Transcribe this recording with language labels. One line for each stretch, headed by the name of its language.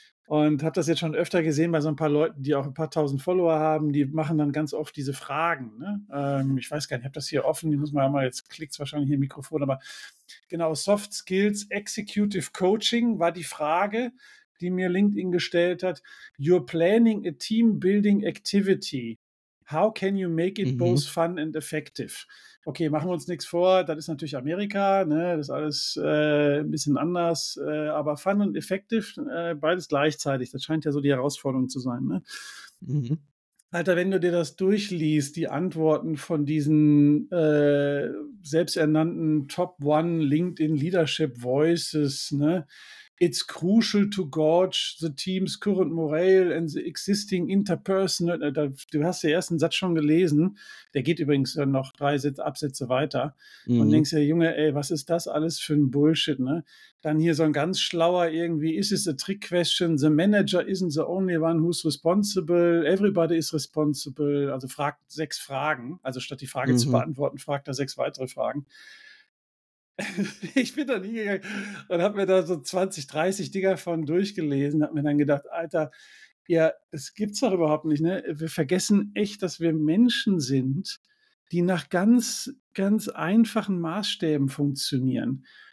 German: Und habe das jetzt schon öfter gesehen bei so ein paar Leuten, die auch ein paar tausend Follower haben, die machen dann ganz oft diese Fragen. Ne? Ich weiß gar nicht, ich habe das hier offen, die muss man mal, jetzt klickt es wahrscheinlich hier im Mikrofon, aber genau, Soft Skills Executive Coaching war die Frage, die mir LinkedIn gestellt hat.
English: You're planning a team building activity. How can you make it both fun and effective?
German: Okay, machen wir uns nichts vor. Das ist natürlich Amerika, ne? Das ist alles ein bisschen anders. Aber fun und effective, beides gleichzeitig. Das scheint ja so die Herausforderung zu sein. Ne? Mhm. Alter, wenn du dir das durchliest, die Antworten von diesen selbsternannten Top One LinkedIn Leadership Voices, ne?
English: It's crucial to gauge the team's current morale and the existing interpersonal.
German: Du hast den ersten Satz schon gelesen. Der geht übrigens noch 3 Absätze weiter. Mhm. Und denkst dir, Junge, ey, was ist das alles für ein Bullshit, ne? Dann hier so ein ganz schlauer irgendwie,
English: is it a trick question? The manager isn't the only one who's responsible. Everybody is responsible.
German: Also fragt 6 Fragen. Also statt die Frage zu beantworten, fragt er 6 weitere Fragen. Ich bin dann hingegangen und habe mir da so 20, 30 Dinger von durchgelesen, habe mir dann gedacht, Alter, ja, das gibt's doch überhaupt nicht, ne? Wir vergessen echt, dass wir Menschen sind, die nach ganz, ganz einfachen Maßstäben funktionieren.